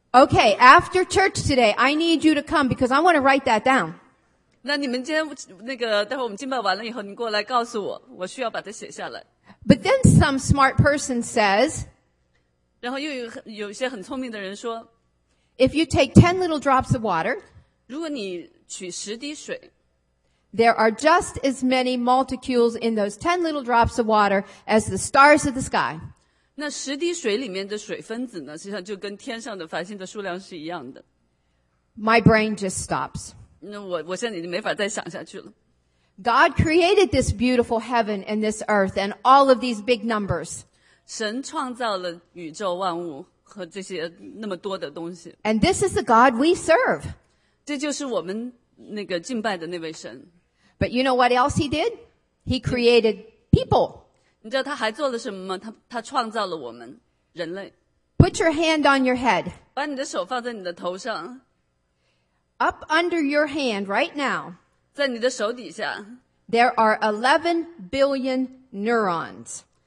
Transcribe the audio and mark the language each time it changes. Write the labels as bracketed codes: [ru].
[en] Okay, after church today, I need you to come because I want to write that down. [zh] 那你们今天那个待会我们敬拜完了以后你过来告诉我，我需要把它写下来。 [en] But then some smart person says, [zh] 然后又有些很聪明的人说， [en] If you take 10 little drops of water, [zh] 如果你取十滴水， [en] There are just as many molecules in those 10 little drops of water as the stars of the sky. [zh] 那十滴水里面的水分子呢，实际上就跟天上的繁星的数量是一样的。 [en] My brain just stops. [zh] 那我现在已经没法再想下去了。 [en] God created this beautiful heaven and this earth and all of these big numbers. [zh] 神创造了宇宙万物和这些那么多的东西。 [en] And this is the God we serve. [zh] 这就是我们那个敬拜的那位神。 [en] But you know what else he did? He created people. [zh] 你知道他还做了什么吗？他创造了我们，人类。 [en] Put your hand on your head. [zh] 把你的手放在你的头上。 [en] Up under your hand right now. [zh] 在你的手底下。 [en] There are 11 billion neurons.